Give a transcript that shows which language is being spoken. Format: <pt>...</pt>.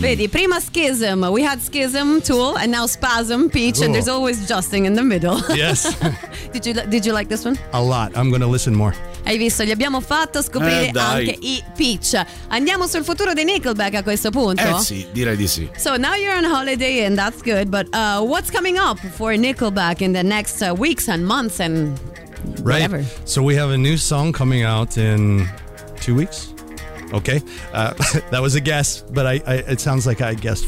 <it>Vedi, prima</it> <en>schism, we had schism, tool, and now spasm, peach, oh. And there's always Justin in the middle. Yes. Did you like this one? A lot, I'm gonna listen more.</en> <it>Hai visto, gli abbiamo fatto scoprire anche i Peach. Andiamo sul futuro dei Nickelback a questo punto? Sì, direi di sì.</it> <en>So now you're on holiday and that's good, but what's coming up for Nickelback in the next weeks and months and right. Whatever? So we have a new song coming out in... 2 weeks? Okay. That was a guess, but I it sounds like I guessed</en>